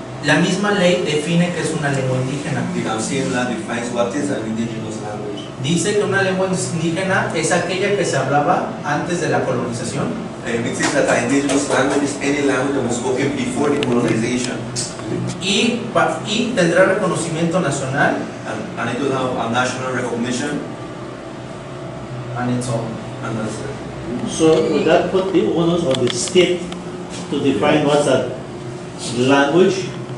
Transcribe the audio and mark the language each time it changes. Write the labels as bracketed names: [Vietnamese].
[Spanish] La misma ley define que es una lengua indígena. [English] The same law defines what is an indigenous language. [Spanish] Dice que una lengua indígena es aquella que se hablaba antes de la colonización. [English] It means that an indigenous language is any language that was spoken before the colonization. [Spanish] Y tendrá reconocimiento nacional. [English] And it will have a national recognition. And it's all. And that's it. So would that put the onus on the state to define what's a language?